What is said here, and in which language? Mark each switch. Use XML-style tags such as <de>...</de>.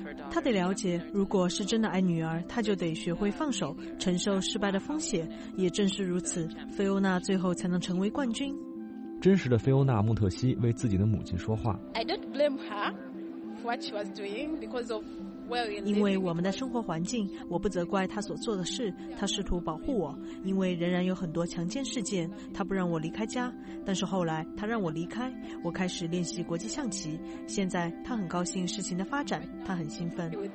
<zh>她得了解，如果是真的爱女儿，她就得学会放手，承受失败的风险。也正是如此，菲欧娜最后才能成为冠军。真实的菲欧娜·穆特西为自己的母亲说话。</zh> <en>I don't blame her for what she was doing because of</en> <zh>因为我们的生活环境，我不责怪他所做的事，他试图保护我，因为仍然有很多强奸事件，他不让我离开家，但是后来他让我离开，我开始练习国际象棋，现在他很高兴事情的发展，他很兴奋。</zh>